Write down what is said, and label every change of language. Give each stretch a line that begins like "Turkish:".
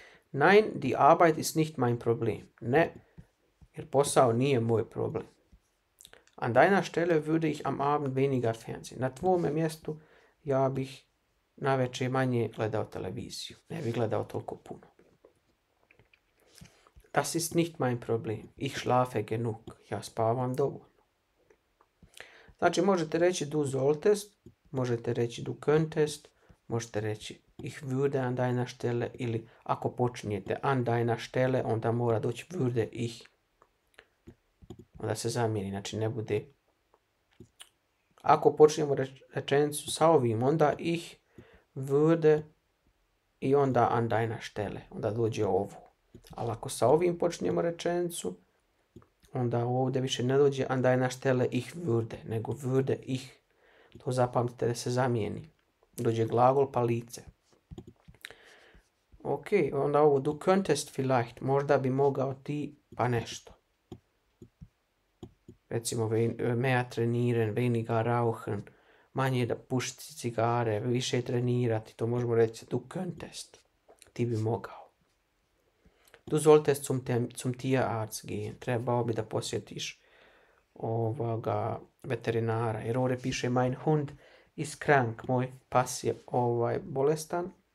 German: Nein, die Arbeit ist nicht mein Problem.
Bosnian: Ne, jer posao nije moj problem.
German: An deiner Stelle würde ich am Abend weniger Fernsehen.
Bosnian: Na tvome mjestu ja bih na večer manje gledao televiziju. Ne bih gledao toliko puno.
German: Das ist nicht mein Problem. Ich schlafe genug.
Bosnian: Ja spavam dovoljno. Znači, možete reći
German: du solltest.
Bosnian: Možete reći
German: du könntest,
Bosnian: možete reći
German: ich würde an deiner Stelle,
Bosnian: ili ako počinjete
German: an deiner Stelle, onda mora doći würde ich.
Bosnian: Onda se zamijeni, znači ne bude. Ako počinjemo rečenicu sa ovim, onda
German: ich würde
Bosnian: i onda an deiner Stelle, onda dođe ovo. Ali ako sa ovim počinjemo rečenicu, onda ovdje više ne dođe
German: an deiner Stelle ich würde,
Bosnian: nego würde ich. To zapamtite da se zamijeni. Dođe glagol pa lice. Ok, onda ovo.
German: Du könntest vielleicht.
Bosnian: Možda bi mogao ti pa nešto. Recimo,
German: mehr trainieren, weniger rauchen.
Bosnian: Manje da pušiti cigare, više trenirati. To možemo reći.
German: Du könntest.
Bosnian: Ti bi mogao.
German: Du solltest zum Tierarzt gehen.
Bosnian: Trebao bi da posjetiš ovoga veterinara, jer ovdje piše
German: mein Hund ist krank,
Bosnian: moj pas je ovaj bolestan.